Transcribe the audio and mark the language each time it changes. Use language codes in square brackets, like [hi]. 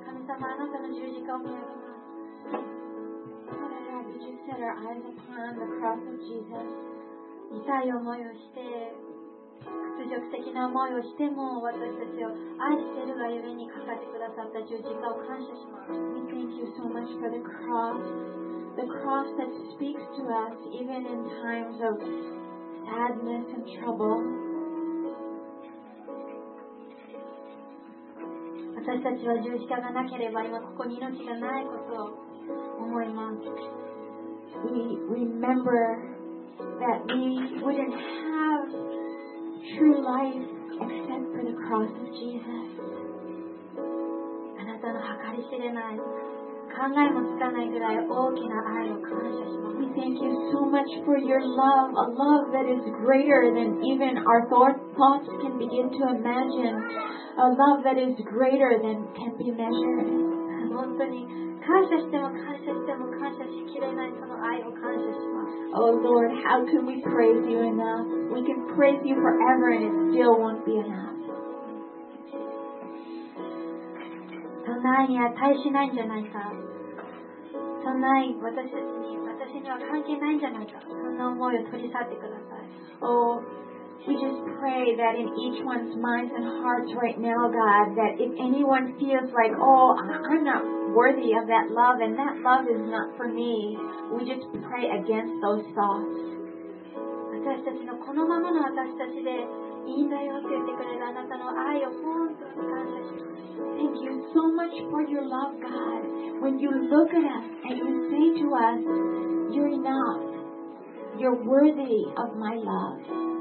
[ja] 様、あなたの十字架を見上げます。 [en] We just set our eyes upon the cross of Jesus. [ja] 痛い思いをして、屈辱的な思いをしても、私たちを愛しているがゆえにかかってくださった十字架を感謝します。 [en] We thank you so much for the cross that speaks to us even in times of sadness and trouble. [ja] 私たちは十字架がなければ今ここに命がないことを思います。 [en] We remember that we wouldn't have true life except for the cross of Jesus. [ja] あなたの計り知れない、考えもつかないぐらい大きな愛を感謝します。 [en] We thank you so much for your love, a love that is greater than even our thoughts can begin to imagine. A love that is greater than can be measured. [ja] 本当に感謝しても感謝しても感謝しきれないその愛を感謝します。 [en] Oh Lord, how can we praise you enough? We can praise you forever and it still won't be enough. [ja] そんな愛には耐えしないんじゃないか。そんな愛、私には関係ないんじゃないか。そんな思いを取り去ってください。 [en] Oh,We just pray that in each one's minds and hearts right now, God, that if anyone feels like, oh, I'm not worthy of that love and that love is not for me, we just pray against those thoughts. [ja] 私たちのこのままの私たちでいいんだよって言ってくれるあなたの愛を本当に感謝します。 [en] Thank you so much for your love, God. When you look at us and you say to us, you're enough, you're worthy of my love.